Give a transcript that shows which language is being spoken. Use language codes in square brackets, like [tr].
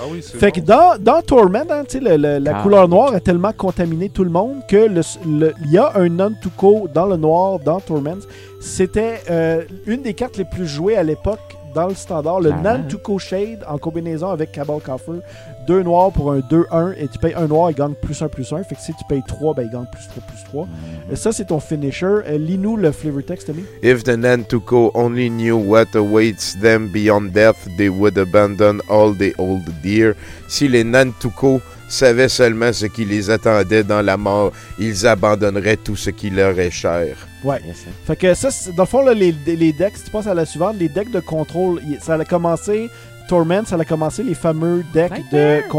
[fr] Fait que dans Torment, la couleur noire a tellement contaminé tout le monde que il y a un Nantuko dans le noir dans Torment. C'était une des cartes les plus jouées à l'époque dans le standard, le Nantuko Shade en combinaison avec Cabal Coffer. Deux noirs pour un 2-1 et tu payes un noir, il gagne plus 1 plus 1. Fait que si tu payes 3, ben, il gagne plus 3 plus 3. Mm-hmm. Ça, c'est ton finisher. Lis-nous le flavor text, Tommy. [en] If the Nantuko only knew what awaits them beyond death, they would abandon all the old dear. [fr] Si les Nantuko savaient seulement ce qui les attendait dans la mort, ils abandonneraient tout ce qui leur est cher. Ouais. Yes, fait que ça, dans le fond, là, les decks, si tu passes à la suivante, les decks de contrôle, ça a commencé, Torment, ça a commencé les fameux decks right de there.